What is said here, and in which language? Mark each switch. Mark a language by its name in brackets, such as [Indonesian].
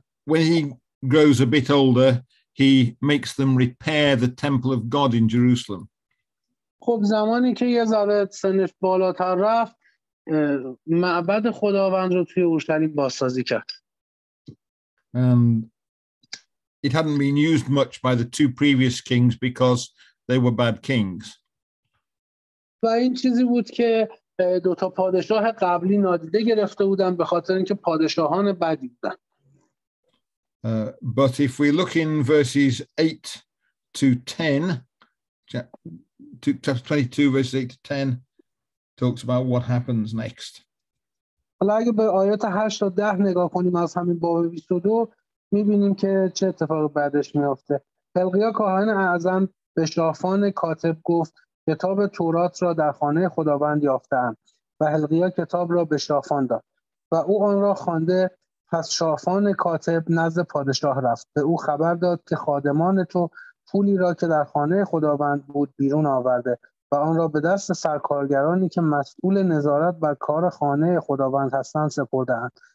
[English] When he grows a bit older, he makes them repair the temple of God in Jerusalem. [Persian] خب زمانی که یه ذره سنش بالاتر رفت، معبد خداوند رو توی اورشلیم بازسازی کرد. [English] It hadn't been used much by the two previous kings because they were bad kings. [Persian] و این چیزی بود که دو تا پادشاه قبلی نادیده گرفته بودن به خاطر اینکه پادشاهان بدی بودن. [English] But if we look in verses 8 to 10, chapter 22 verses 8 to 10 talks about what happens next. [Persian] حالا اگه به آیات 8 تا 10 نگاه کنیم از همین باب 22 می‌بینیم که چه اتفاق بعدش می‌افته. هلقیا کاهن اعظم به شافان کاتب گفت کتاب تورات را در خانه خداوند یافتم و حلقیا کتاب را به شافان داد و او آن را خوانده پس شافان کاتب نزد پادشاه رفت به او خبر داد که خادمان تو پولی را که در خانه خداوند بود بیرون آورده و آن را به دست سرکارگرانی که مسئول نظارت بر کار خانه خداوند هستند سپردند.